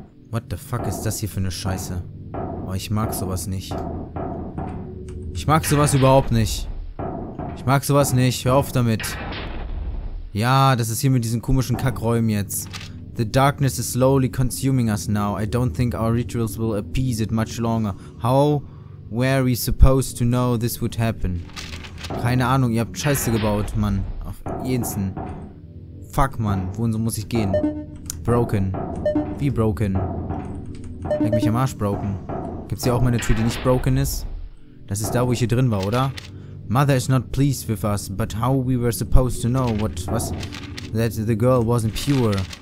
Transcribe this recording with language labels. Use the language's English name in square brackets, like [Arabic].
[English] What the fuck [German] ist das hier für eine Scheiße? Oh, ich mag sowas nicht. Ich mag sowas überhaupt nicht. Ich mag sowas nicht. Hör auf damit. Ja, das ist hier mit diesen komischen Kackräumen jetzt. [English] The darkness is slowly consuming us now. I don't think our rituals will appease it much longer. How were we supposed to know this would happen? [German] Keine Ahnung, ihr habt Scheiße gebaut, Mann. Auf Jensen. Fuck, Mann. Wohin so muss ich gehen? Broken. Wie broken? Leg mich am Arsch, broken. Gibt's hier auch mal eine Tür, die nicht broken ist? Das ist da, wo ich hier drin war, oder? [English] Mother is not pleased with us, but how we were supposed to know what was that the girl wasn't pure.